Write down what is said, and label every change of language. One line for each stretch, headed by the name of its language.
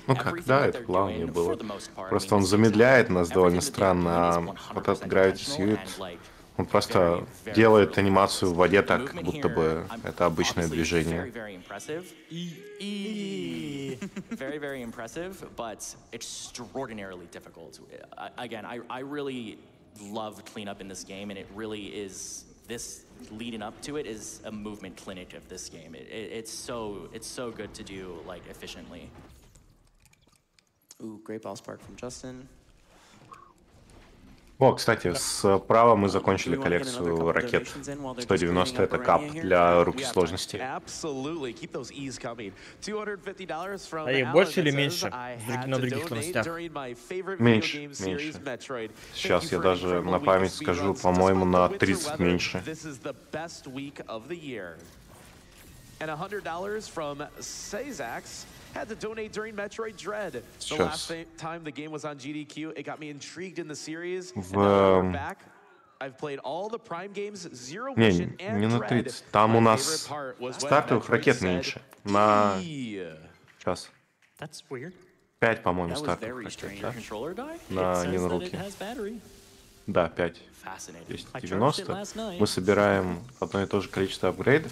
Russian: Ну как, да, это плавнее было. Просто он замедляет нас довольно странно, а вот этот Gravity Suit, он просто делает анимацию в воде так, как будто бы это обычное движение.
English: Love cleanup in this game, and it really is. This leading up to it is a movement clinic of this game. It's so good to do like efficiently. Ooh, great ball spark from Justin.
Russian: О, кстати, справа мы закончили коллекцию ракет. 190 — это кап для руки сложности. А их больше или меньше на других сложностях? Меньше. Сейчас я даже на память скажу, по-моему, на 30 меньше.
English: Had to donate during Metroid Dread. The last time the game was on GDQ, it got me intrigued in the series. Back, I've played all the Prime games, Zero Mission and Dread.
Russian: Не на 30. Там у нас стартовых ракет меньше. На сейчас.
English: That's weird.
Russian: 5, по-моему, стартовых ракет. Да? На не на руки. Да, 5. Есть 90. Мы собираем одно и то же количество апгрейдов.